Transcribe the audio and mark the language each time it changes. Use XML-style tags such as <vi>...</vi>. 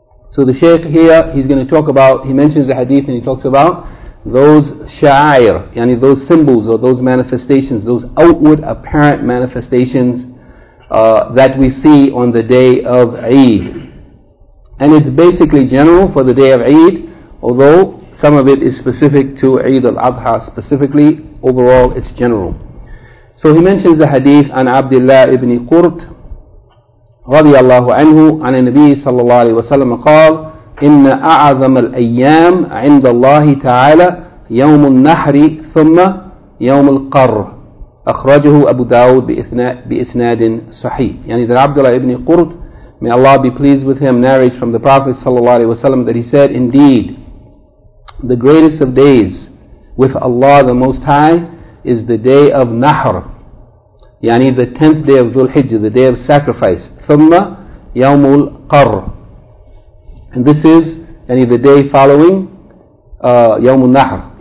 <en>So the Shaykh here, he's going to talk about, he mentions the hadith and he talks about those sha'air, yani those symbols or those manifestations, those outward apparent manifestations that we see on the day of Eid. And it's basically general for the day of Eid, although some of it is specific to Eid al-Adha specifically. Overall, it's general. So he mentions the hadith an Abdullah ibn Qurt</en> <ar>رضي الله عنه عن النبي صلى الله عليه وسلم قال إن أعظم الأيام عند الله تعالى يوم النحر ثم يوم القر أخرجه أبو داود بإسناد صحيح.</ar> <en>يعني that Abdullah ibn Qurt, may Allah be pleased with him, narrates from the Prophet</en> <ar>صلى الله عليه وسلم</ar> <en>that he said, indeed, the greatest of days with Allah the Most High is the day of Nahr. يعني the 10th day of Dhul-Hijjah, the day of sacrifice.</en> <ar>ثُمَّ يَوْمُ الْقَرِّ.</ar> <en>And this is يعني the day following يَوْمُ النَّحْرِ.</en>